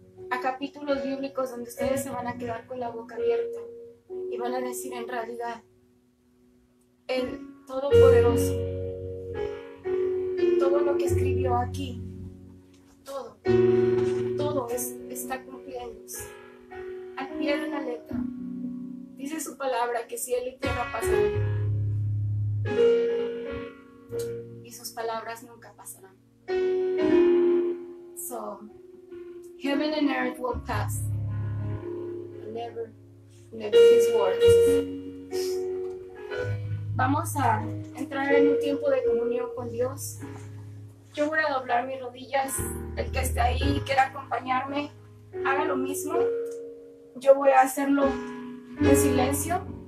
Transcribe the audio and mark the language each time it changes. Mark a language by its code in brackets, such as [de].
[es] A capítulos bíblicos donde ustedes se van a quedar con la boca abierta y van a decir: en realidad el Todopoderoso, todo lo que escribió aquí, todo está cumpliendo al pie de la letra. Dice su palabra que cielo y tierra pasarán y sus palabras nunca pasarán. [en] So heaven and earth will pass, never his words. [es] Vamos a entrar en un tiempo de comunión con Dios. Yo voy a doblar mis rodillas. El que esté ahí y quiera acompañarme, haga lo mismo. Yo voy a hacerlo en silencio.